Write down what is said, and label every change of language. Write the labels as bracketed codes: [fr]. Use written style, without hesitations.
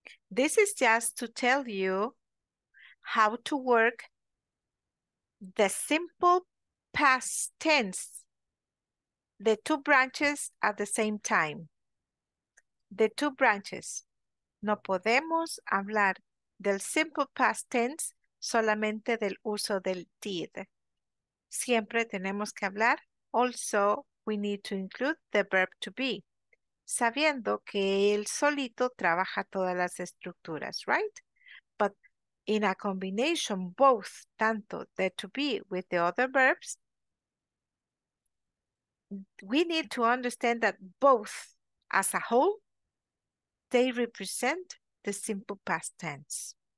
[en] This is just to tell you how to work the simple past tense, the two branches at the same time. The two branches. [es] No podemos hablar del simple past tense solamente del uso del did. Siempre tenemos que hablar. [en] Also, we need to include the verb to be. [es] Sabiendo que él solito trabaja todas las estructuras, [en] right? But in a combination, both, tanto the to be with the other verbs, we need to understand that both as a whole, they represent the simple past tense.